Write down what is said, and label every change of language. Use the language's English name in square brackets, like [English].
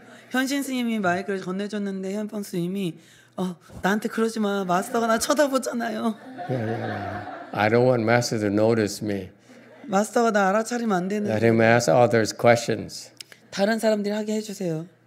[Korean] 현신 스님이 마이크를 건네줬는데 현펑 스님이 나한테 그러지 마. 마스터가 나 쳐다보잖아요. [English] Yeah. I don't want master to notice me. [Korean] 마스터가 나 알아차리면 안 되는데. [English] Let him ask others questions. [Korean] 다른 사람들이 하게 해주세요.